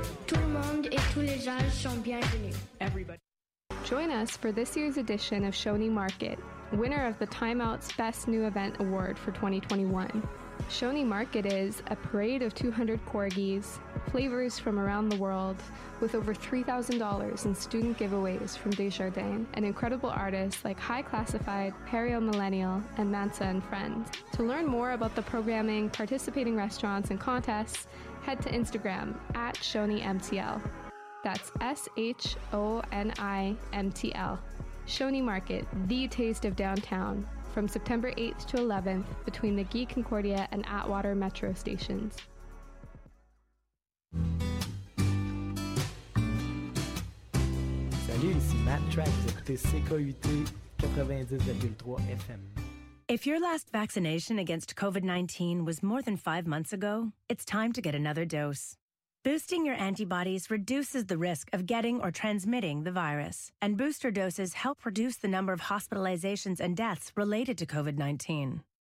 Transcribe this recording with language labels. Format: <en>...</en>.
<fr>Tout le monde et tous les âges sont bienvenus.</fr> <en>Everybody. Join us for this year's edition of Shoney Market, winner of the Time Out's Best New Event Award for 2021. Shoney Market is a parade of 200 corgis, flavors from around the world, with over $3,000 in student giveaways from Desjardins, and incredible artists like High Classified, Perio Millennial, and Mansa and Friends. To learn more about the programming, participating restaurants, and contests, head to Instagram at ShoneyMTL. That's ShoneyMTL. Shoney Market, the taste of downtown. From September 8th to 11th, between the Guy Concordia and Atwater Metro stations.</en> <fr>Salut, ici Matt Track, vous écoutez CKUT 90.3 FM.</fr> <en>If your last vaccination against COVID-19 was more than 5 months ago, it's time to get another dose. Boosting your antibodies reduces the risk of getting or transmitting the virus. And booster doses help reduce the number of hospitalizations and deaths related to COVID-19.</en>